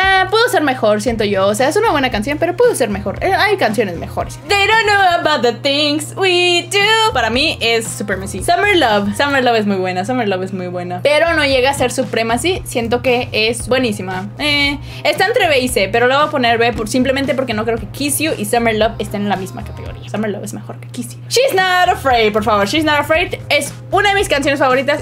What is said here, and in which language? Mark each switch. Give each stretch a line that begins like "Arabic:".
Spanish: Pudo ser mejor, siento yo. O sea, es una buena canción, pero pudo ser mejor. Hay canciones mejores.
English: They don't know about the things we do.
Spanish: Para mí es Supremacy. Summer Love. Summer Love es muy buena. Summer Love es muy buena. Pero no llega a ser Supremacy. Siento que es buenísima. Está entre B y C, pero lo voy a poner B por, simplemente porque no creo que Kiss You y Summer Love estén en la misma categoría. Summer Love es mejor que Kiss You. She's Not Afraid, por favor. She's Not Afraid es una de mis canciones favoritas.